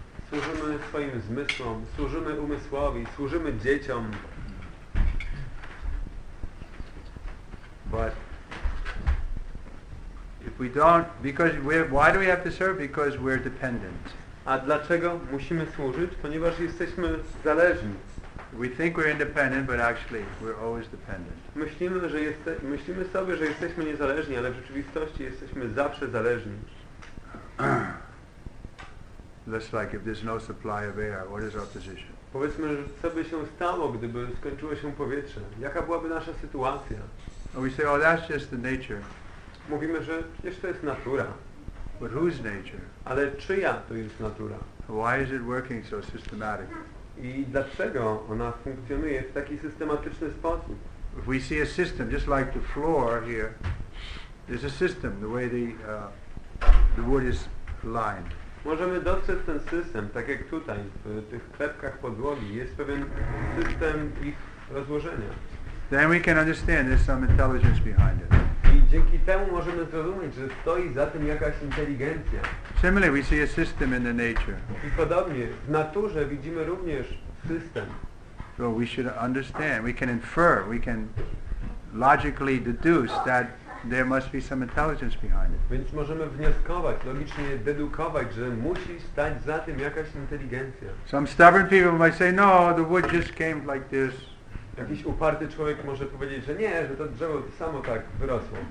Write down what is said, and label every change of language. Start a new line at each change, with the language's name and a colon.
Polish: Służymy swoim zmysłom, służymy umysłowi, służymy dzieciom.
English: But if we don't, because we're, why do we have to serve? Because we're dependent.
Polish: A dlaczego musimy służyć? Ponieważ jesteśmy zależni.
English: We think we're independent, but actually we're always dependent.
Polish: Myślimy sobie, że jesteśmy niezależni, ale w rzeczywistości jesteśmy zawsze zależni.
English: Just like if there's no supply of air, what is our position?
Polish: Powiedzmy, że co by się stało, gdyby skończyło się powietrze? Jaka byłaby nasza sytuacja?
English: And we say, oh, that's just the nature.
Polish: Mówimy, że przecież to jest natura.
English: But whose nature?
Polish: Ale czyja to jest natura?
English: Why is it working so systematically?
Polish: I dlaczego ona funkcjonuje w taki systematyczny sposób?
English: If we see a system, just like the floor here, there's a system, the way the wood is lined.
Polish: Możemy dostrzec ten system, tak jak tutaj, w tych klepkach podłogi, jest pewien system ich rozłożenia.
English: Then we can understand there's some intelligence behind it.
Polish: I dzięki temu możemy zrozumieć, że stoi za tym jakaś inteligencja.
English: Similarly, we see a system in the nature.
Polish: I podobnie, w naturze widzimy również system.
English: So we should understand, we can infer, we can logically deduce that there must be some intelligence behind it.
Polish: Więc możemy wnioskować, logicznie dedukować, że musi stać za tym jakaś inteligencja.
English: Some stubborn people might say, no, the wood just came like this.
Polish: Jakiś uparty człowiek może powiedzieć, że nie, że to drzewo samo tak wyrosło.